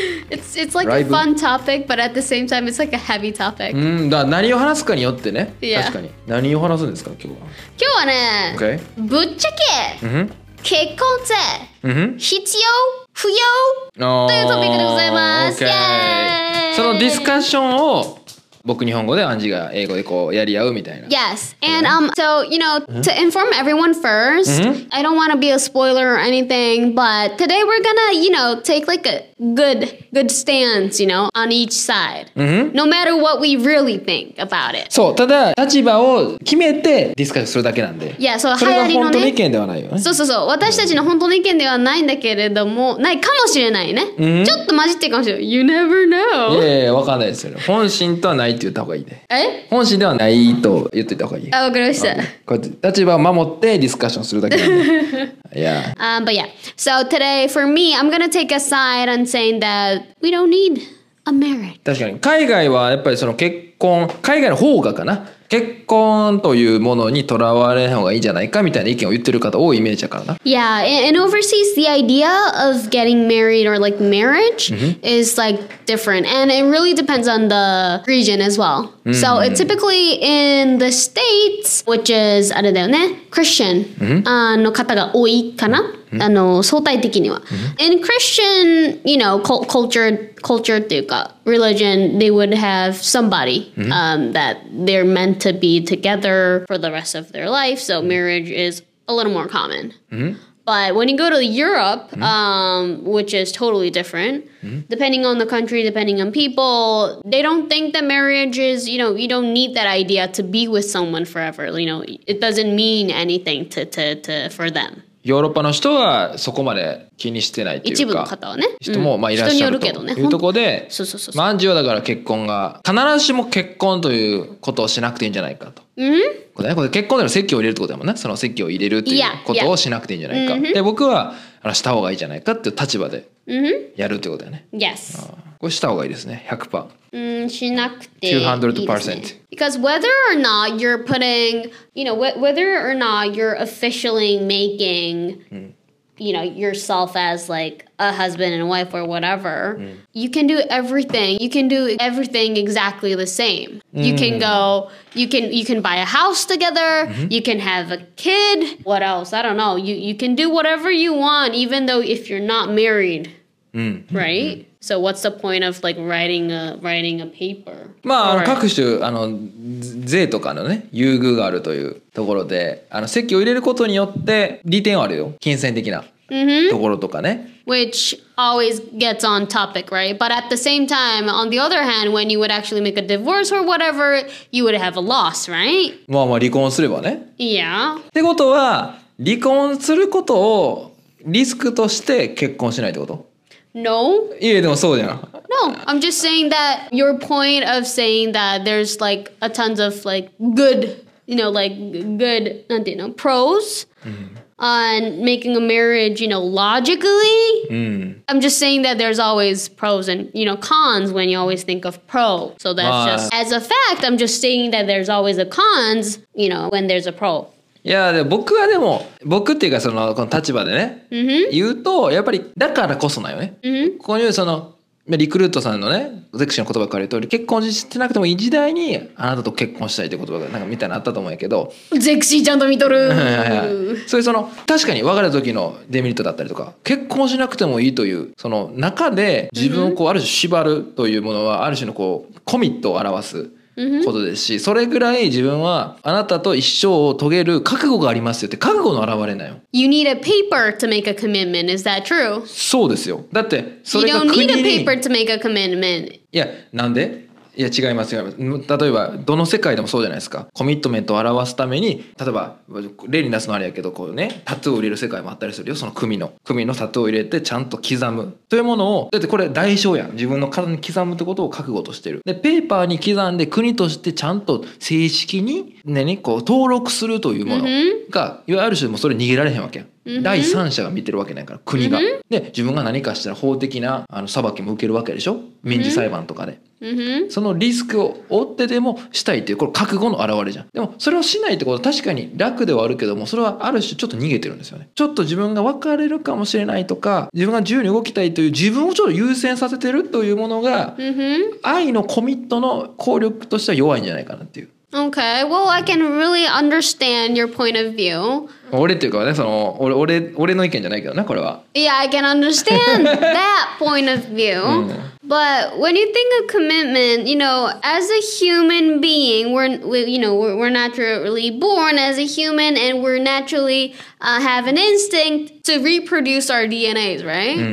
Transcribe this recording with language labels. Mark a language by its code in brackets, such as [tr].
[en] It's like a fun topic, but at the same time, it's like a heavy topic. [ja] うん、だ何を話すかによってね。 Yeah. 確かに。何を話すんですか、今日は。今日はね、 okay. ぶっちゃけ、 mm-hmm. 結婚って、 mm-hmm. 必要不要、 oh, というトピックでございます。 Okay. そのディスカッションを僕日本語でアンジが英語でこうやり合うみたいな。 [en] Yes, and so you know to inform everyone first,、 mm-hmm. I don't want to be a spoiler or anything, but today we're gonna you know take like a good stance, you know, on each side,、 mm-hmm. no matter what we really think about it. [ja] そう、ただ立場を決めてディスカッションするだけなんで。 [en] Yeah, so [ja] 流行りのね。それが本当の意見ではないよね。そう、私たちの本当の意見ではないんだけれども、ないかもしれないね。 Mm-hmm. ちょっと混じってるかもしれない。 [en] You never know. [ja] いやいや、わかんないですよ。本心とはないって言った方がいいね。え？本心ではないと言ってた方がいい。あ、わかりました。こうやって立場を守ってディスカッションするだけなんで。 [en] Yeah. But yeah. So today for me, I'm gonna take a side and saying that we don't need a marriage. [ja] 確かに海外はやっぱりその結婚、海外の方がかな、結婚というものにとらわれない方がいいんじゃないかみたいな意見を言ってる方多いイメージだからな。 [en] Yeah, and overseas the idea of getting married or like marriage、 mm-hmm. is like different and it really depends on the region as well、 mm-hmm. So it's typically in the States, which is [ja] あれだよね、 [en] Christian、 mm-hmm. [ja] の方が多いかな、 mm-hmm. あの相対的には、 mm-hmm. [en] In Christian, you know, culture [ja] っていうか [en] religion, they would have somebody、 mm-hmm. that they're meantto be together for the rest of their life, so marriage is a little more common. Mm-hmm. But when you go to Europe, mm-hmm. Which is totally different, mm-hmm. depending on the country, depending on people, they don't think that marriage is, you know, you don't need that idea to be with someone forever. You know, it doesn't mean anything to for them. [ja] ヨーロッパの人はそこまで気にしてないというか、一部の方はね、人もまあいらっしゃるというところで、そう、まんじゅうはだから結婚が必ずしも結婚ということをしなくていいんじゃないかと、うん、これ結婚での籍を入れるってことだもんね、その籍を入れるということをしなくていいんじゃないか、で僕はした方がいいじゃないかっていう立場でやるってことだよね、 [en] Yes、 [ja] これした方がいいですね、100% しなくていいですね。 [en] Because whether or not you're putting, you know, whether or not you're officially making, you know, yourself as like a husband and wife or whatever, you can do everything. You can do everything exactly the same. You can go, you can buy a house together. You can have a kid. What else? I don't know. You can do whatever you want, even though if you're not married, right? So what's the point of like writing a paper? [ja] まあ、各種税とかのね優遇があるというところで、籍を入れることによって利点はあるよ、金銭的なところとかね。 [en] Mm-hmm. Which always gets on topic, right? But at the same time, on the other hand, when you would actually make a divorce or whatever, you would have a loss, right? [ja] まあまあ離婚すればね。 [en] Yeah. [ja] ってことは離婚することをリスクとして結婚しないってこと？ [en] No. [ja] いやでもそうじゃん。 [en] No, I'm just saying that your point of saying that there's like a tons of like good, you know, like good, [ja] なんていうの? [en] Pros、on making a marriage, you know, logically.、I'm just saying that there's always pros and, you know, cons when you always think of pro. So that's、just as a fact, I'm just saying that there's always a cons, you know, when there's a pro. [ja] いやでも僕はでも僕っていうかそのこの立場でね、言うとやっぱりだからこそなよね、ここにそのリクルートさんのねゼクシーの言葉から言う通り、結婚してなくてもいい時代にあなたと結婚したいって言葉がなんかみたいなあったと思うんやけど、ゼクシーちゃんと見とるそれその確かに別れた時のデメリットだったりとか、結婚しなくてもいいというその中で自分をこうある種縛るというものはある種のこうコミットを表すことですし、それぐらい自分はあなたと一生を遂げる覚悟がありますよって、覚悟の表れなよ。 [en] You need a paper to make a commitment, is that true? [ja] そうですよ。だってそれが国に、 [en] You don't need a paper to make a commitment. [ja] いや、なんで？いや、違います、違います。例えばどの世界でもそうじゃないですか。コミットメントを表すために、例えば例に出すのあれやけど、こうね、タトゥーを入れる世界もあったりするよ。その組のタトゥーを入れてちゃんと刻むというものを、だってこれ代償やん。自分の体に刻むってことを覚悟としてる。でペーパーに刻んで国としてちゃんと正式に、ね、こう登録するというものが、うん、いわゆる種でもそれ逃げられへんわけやん。第三者が見てるわけないから、国が。で、自分が何かしたら法的なあの裁きも受けるわけでしょ、民事裁判とかで。そのリスクを負ってでもしたいっていう、これ覚悟の表れじゃん。でもそれをしないってことは、確かに楽ではあるけども、それはある種ちょっと逃げてるんですよね。ちょっと自分が別れるかもしれないとか、自分が自由に動きたいという、自分をちょっと優先させてるというものが、愛のコミットの効力としては弱いんじゃないかなっていう。 [en] Okay, well, I can really understand your point of view. [ja] 俺っていうかね、その、俺の意見じゃないけどな、これは。 [en] Yeah, I can understand that point of view. 、うん、But when you think of commitment, you know, as a human being, we're naturally born as a human, and we're naturally, have an instinct to reproduce our DNAs, right?、